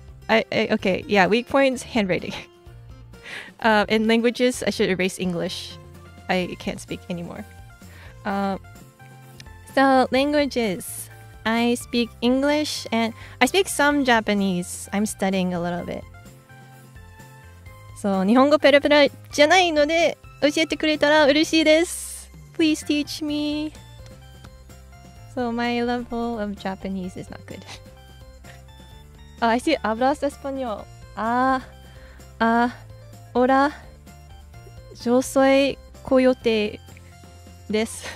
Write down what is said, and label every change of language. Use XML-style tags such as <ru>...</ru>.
<en>Okay, yeah, weak points, handwriting. In languages, I should erase English. I can't speak anymore. So languages, I speak English and I speak some Japanese. I'm studying a little bit.</en> <ja>So 日本語ペラペラじゃないので教えてくれたら嬉しいです。</ja> <en>Please teach me. So my level of Japanese is not good. Oh, I see.</en> <es>Hablas español. Hola. Yo soy Coyote. Des.</es>